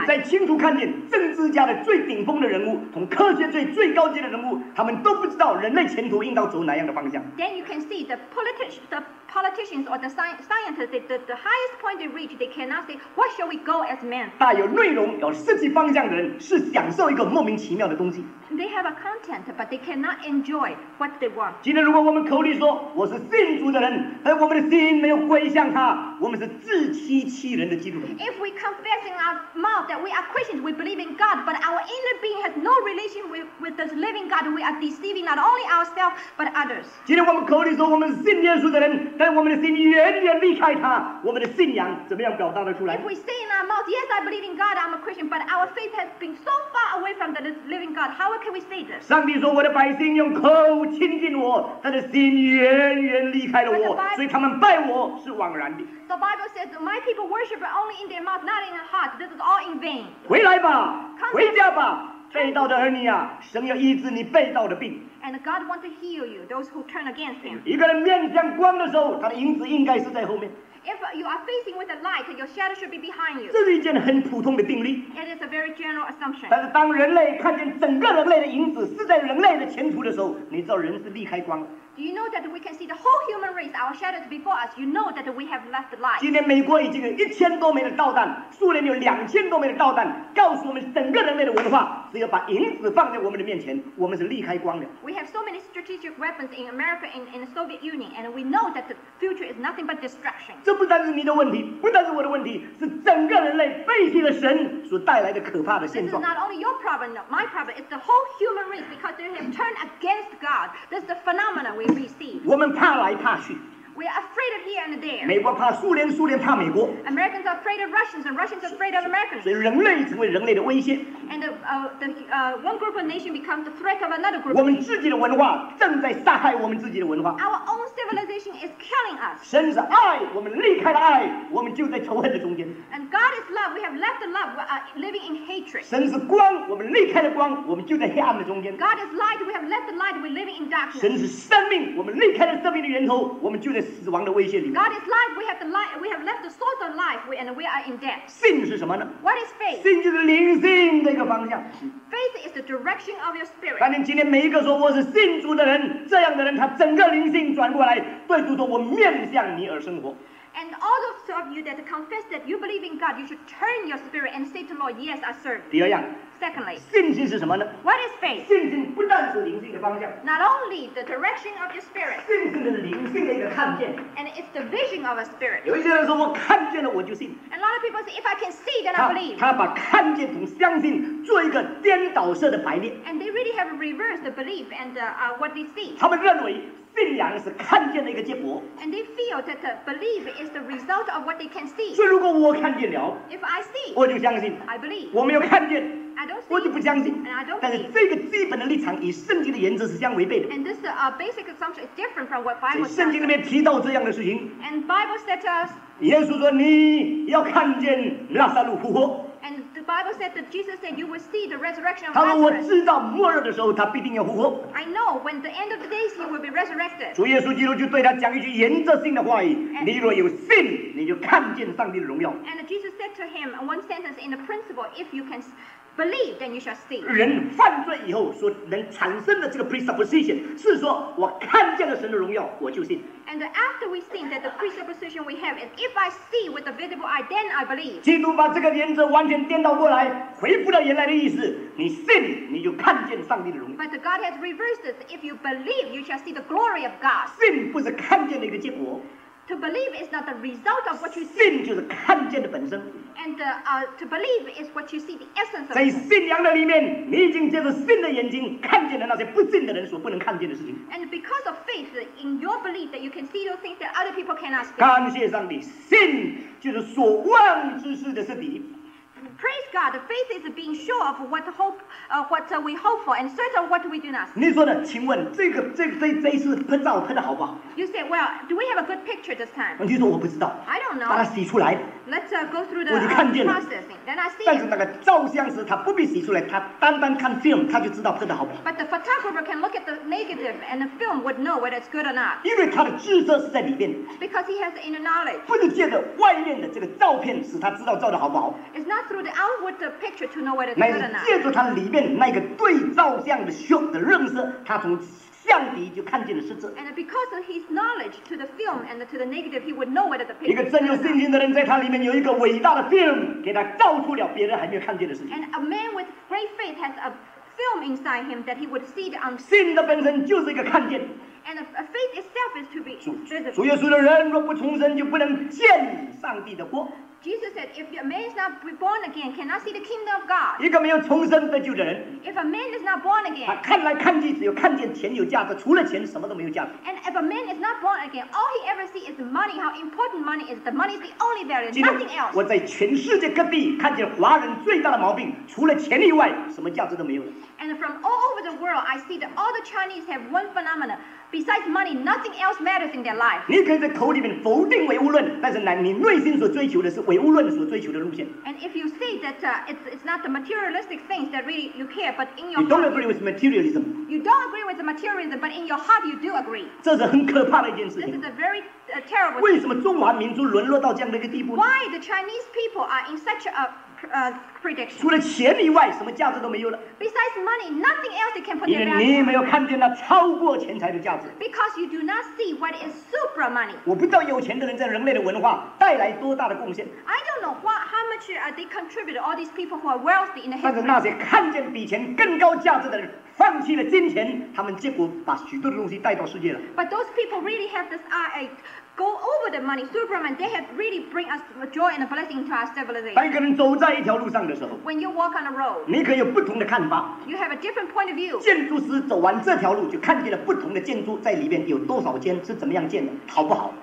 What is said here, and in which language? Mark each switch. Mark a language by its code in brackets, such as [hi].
[zh] 你在清楚看见政治家的最顶峰的人物，从科学界最高级的人物，他们都不知道人类前途应当走哪样的方向。 [en] Then you can see the politicians or the scientists, the highest point they reach, they cannot say, what shall we go as men? [zh] 大有内容、有设计方向的人是享受一个莫名其妙的东西。 [en] They have a content, but they cannot enjoy what they want. [zh] 今天如果我们口里说我是信主的人，而我们的心没有归向他，我们是自欺欺人的基督徒。 [en] If we confess in our mouth that we are Christians, we believe in God, but our inner being has no relation with this living God, we are deceiving not only ourselves, but others. [zh] 今天我们口里说我们是信耶稣的人，但我们的心远远离开他，我们的信仰怎么样表达得出来？ [en] If we say in our mouth, yes, I believe in God, I'm a Christian, but our faith has been so far away from the living God, how can we say this? [zh] 上帝说我的百姓用口亲近我，他的心远远离开了我，所以他们拜我是枉然的。 [en] The Bible says, my people worship only in their mouth, not in their heart. This is all in vain. [zh] 回来吧，回家吧，被盗的儿女啊，神要医治你被盗的病。 [en] And God wants to heal you, those who turn against him. [zh] 一个人面向光的时候，他的影子应该是在后面。 [en] If you are facing with a light, your shadow should be behind you. [zh] 这是一件很普通的定律。 [en] It is a very general assumption. [zh] 但是当人类看见整个人类的影子是在人类的前途的时候，你知道人是离开光。 [en] Do you know that we can see the whole human race, our shadows before us? You know that we have left light. [zh] 今天美国已经有1000多枚的导弹，苏联有2000多枚的导弹，告诉我们整个人类的文化，只要把影子放在我们的面前，我们是离开光的。 [en] We have so many strategic weapons in America and in the Soviet Union, and we know that the future is nothing but destruction. [zh] 这不单是你的问题，不单是我的问题，是整个人类背弃了神所带来的可怕的现状。 [en] This is not only your problem, no, my problem. It's the whole human race because they have turned against God. This is the phenomenon we. [zh] 我们怕来怕去。 [en] We are afraid of here and there. [zh] 美国怕苏联，苏联怕美国。 [en] Americans are afraid of Russians, and Russians are afraid of Americans. [zh] 所以人类成为人类的威胁。 [en] And one group of nation becomes the threat of another group. [zh] 我们自己的文化正在杀害我们自己的文化。 [en] Our own civilization is killing us. [zh] 神是爱，我们离开了爱，我们就在仇恨的中间。 [en] And God is love. We have left the love. We are living in hatred. [zh] 神是光，我们离开了光，我们就在黑暗的中间。 [en] God is light. We have left the light. We're living in darkness. [zh] 神是生命，我们离开了生命的源头，我们就在死亡的威胁里面。 [en] God is life. We have the light. We have left the source of life. And we are in death. [zh] 信是什么呢？ [en] What is faith? [zh] 信就是灵性的一个方向。 [en] Faith is the direction of your spirit. [zh] 但你今天每一个说我是信主的人，这样的人他整个灵性转过来，对主说我面向你而生活。 [en] And all those of you that confess that you believe in God, you should turn your spirit and say to the Lord, Yes, I serve. [zh] 第二样。 [en] Secondly, [zh] 信心是什么呢？ [en] What is faith? [zh] 信心不但是灵性的方向。 [en] Not only the direction of your spirit. [zh] 信心的灵性的一个看见。 [en] And it's the vision of a spirit. [zh] 有一些人说我看见了我就信。 [en] And a lot of people say, if I can see, then I believe. [zh] 他把看见从相信做一个颠倒式的排列。 [en] And they really have reversed the belief and what they see. [zh] 他们认为信仰是看见了一个结果。 [en] And they feel that the belief is the result of what they can see. [zh] 所以如果我看见了 [en] ，If I see， [zh] 我就相信。 [en] I believe。 [zh] 我没有看见 [en] ，I don't see。 [zh] 我就不相信 [en] ，And I don't see。 [zh] 但是这个基本的立场与圣经的原则是相违背的。 [en] And this basic assumption is different from what Bible says。 [zh] 所以圣经里面提到这样的事情。 [en] And Bible said to us。 [zh] 耶稣说：“你要看见拉撒路复活。” [en] And the Bible said that Jesus said you will see the resurrection of [zh] 他说：“我知道末日的时候，他必定要复活。” [en] I know when the end of the days he will be resurrected. [zh] 主耶稣基督就对他讲一句原则性的话语：“ and, 你若有信，你就看见上帝的荣耀。” [en] And Jesus said to him one sentence in the principle: If you can believe, then you shall see. [zh] 人犯罪以后所能产生的这个 presupposition 是说我看见了神的荣耀，我就信。 [en] And after we see that the presupposition we have is if I see with the visible eye, then I believe. [zh] 基督把这个原则完全颠倒过来，回复了原来的意思。你信，你就看见上帝的荣耀。 [en] But God has reversed this. If you believe, you shall see the glory of God. [zh] 信不是看见的一个结果。 [en] To believe is not the result of what you see. [zh] 信就是看见的本身。 [en] And to believe is what you see, the essence of. [zh] 在信仰的里面，你已经借着信的眼睛看见了那些不信的人所不能看见的事情。 [en] And because of faith in your belief, that you can see those things that other people cannot see. [zh] 感谢上帝，信就是所望之事的实底。 [en] Praise God, faith is being sure of what hope, what we hope for, and certain of what we do not see. [zh] 你说的，请问这一次喷照喷的好不好 [en] ？You say, well, do we have a good picture this time? [zh] 你说我不知道。 [en] I don't know. [zh] 把它洗出来。 [en] Let's go through the processing. Then I see. [zh] 但是那个照相师他不必洗出来，他单单看 film， 他就知道拍的好不好。 [en] But the photographer can look at the negative and the film would know whether it's good or not. [zh] 因为他的知识是在里面。 [en] Because he has inner knowledge. [zh] 不是借着外面的这个照片使他知道照的好不好。 [en] It's not through the outward picture to know whether it's good or not. [zh] 那是借着他里面那个对照相的修的认识，他从。相底就看见了实质。 [en] And because of his knowledge to the film and to the negative, he would know whether the picture. [zh] 一个真有信心的人，在他里面有一个伟大的 film， 给他照出了别人还没有看见的事情。 [en] And a man with great faith has a film inside him that he would see the unseen. [zh] 信的本身就是一个看见。 [en] And a faith itself is to be visible. [zh] 主耶稣的人若不重生，就不能见上帝的国。 [en] Jesus said, "If a man is not born again, cannot see the kingdom of God." [zh] 一个没有重生得救的人。 [en] If a man is not born again, [zh] 他看来看去只有看见钱有价值，除了钱什么都没有价值。 [en] And if a man is not born again, all he ever sees is the money. How important money is! The money is the only value, nothing else. [zh] 我在全世界各地看见华人最大的毛病，除了钱以外，什么价值都没有了。 [en] And from all over the world, I see that all the Chinese have one phenomenon. Besides money, nothing else matters in their life. [zh] 你可以在口里面否定唯物论，但是你内心所追求的是唯物论所追求的路线。 [en] And if you say that it's not the materialistic things that really you care, but in your heart, you don't agree with materialism. You don't agree with the materialism, but in your heart you do agree. [zh] 这是很可怕的一件事情。 [en] This is a very terrible. [zh] 为什么中华民族沦落到这样的一个地步呢 [en] ？Why the Chinese people are in such a prediction. [zh] 除了钱以外，什么价值都没有了。 [en] Besides money, nothing else they can put their value. [zh] 因为你没有看见那超过钱财的价值。 [en] Because you do not see what is super money. [zh] 我不知道有钱的人在人类的文化带来多大的贡献。 [en] I don't know what how much they contribute. All these people who are wealthy in the history. [zh] 但是那些看见比钱更高价值的人。放弃了金钱，他们结果把许多的东西带到世界了。 [en] But those people really have this eye, go over the money, Superman. They have really bring us joy and a blessing to our civilization. [zh] 当一个人走在一条路上的时候 [en] ，When you walk on a road, [zh] 你可以有不同的看法。 [en] You have a different point of view. [zh] 建筑师走完这条路，就看见了不同的建筑在里面有多少间是怎么样建的，好不好